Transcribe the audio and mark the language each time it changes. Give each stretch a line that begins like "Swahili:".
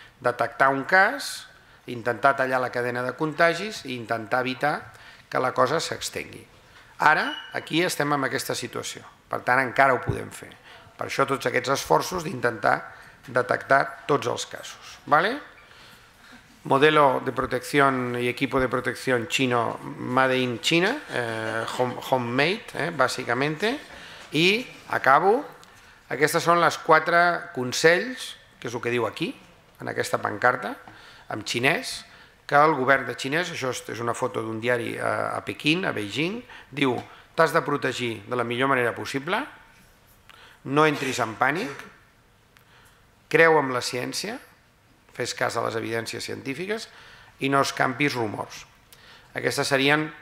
Catalan: Detectar un cas, intentar tallar la cadena de contagis i intentar evitar que la cosa s'extengui. Ara, aquí estem en aquesta situació, per tant, encara ho podem fer. Per això tots aquests esforços d'intentar detectar tots els casos.
Spanish: ¿Vale? Modelo de protección y equipo de protección chino
English: made in China, homemade,
Spanish: básicamente.
Catalan: I acabo. Aquestes són les quatre consells, que és el que diu aquí, en aquesta pancarta, en xinès, que el govern de xinès, això és una foto d'un diari a Pequín, a Beijing, diu, t'has de protegir de la millor manera possible, no entris en pànic, creu en la ciència, fes cas a les evidències científiques i no escampis rumors. Aquestes serien